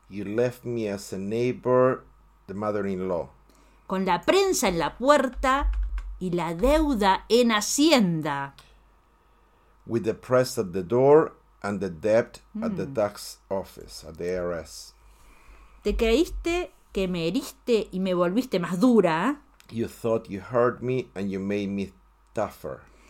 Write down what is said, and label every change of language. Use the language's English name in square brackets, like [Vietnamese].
[English] You left me as a neighbor, the mother-in-law. [Spanish] Con la prensa en la puerta y la deuda en Hacienda. [English] With the press at the door and the debt at the tax office, at the IRS. [Spanish] Te creíste que me heriste y me volviste más dura. [English] You thought you hurt me and you made me tougher.